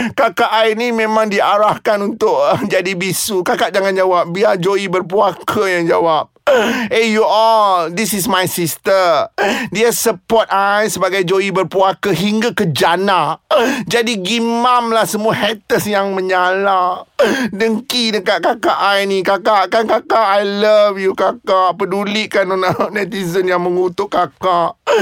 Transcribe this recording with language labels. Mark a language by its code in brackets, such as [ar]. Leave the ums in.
[ms] Kakak I ni memang diarahkan untuk uh, jadi bisu. Kakak jangan jawab. Biar Joey berpuaka yang jawab. [en] Uh, hey you all, this is my sister. [ms] Dia uh, support I sebagai Joey berpuaka hingga ke jana. Uh, jadi gimam lah semua haters yang menyala. Dengki dekat kakak I ni. Kakak, kan kakak [en] I love you [ms] kakak. Pedulikan non- non- netizen yang mengutuk kakak.